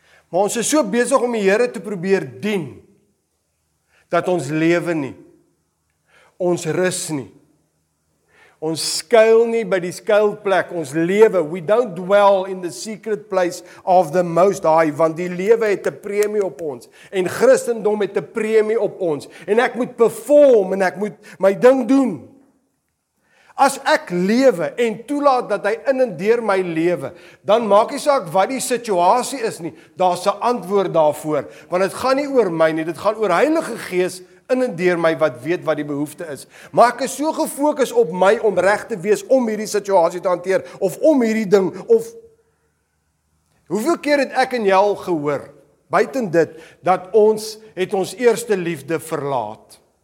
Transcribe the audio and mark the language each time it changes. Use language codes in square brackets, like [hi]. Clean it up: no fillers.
[af] Maar ons is so besig om die Here te probeer dien dat ons lewe nie. Ons rus nie. Ons skuil nie by die skuilplek, ons lewe. [en] We don't dwell in the secret place of the most high, [af] want die lewe het 'n premie op ons. En Christendom het 'n premie op ons. En ek moet perform en ek moet my ding doen. As ek lewe en toelaat dat hy in en deur my lewe, dan maak nie saak wat die situasie is nie, daar's 'n antwoord daarvoor. Want dit gaan nie oor my nie, dit gaan oor Heilige Gees, in en deur my wat weet wat die behoefte is. Maar ek is so gefokus op my om reg te wees om hierdie situasie te hanteer of om hierdie ding of hoeveel keer het ek en jou gehoor buiten dit dat ons het ons eerste liefde verlaat.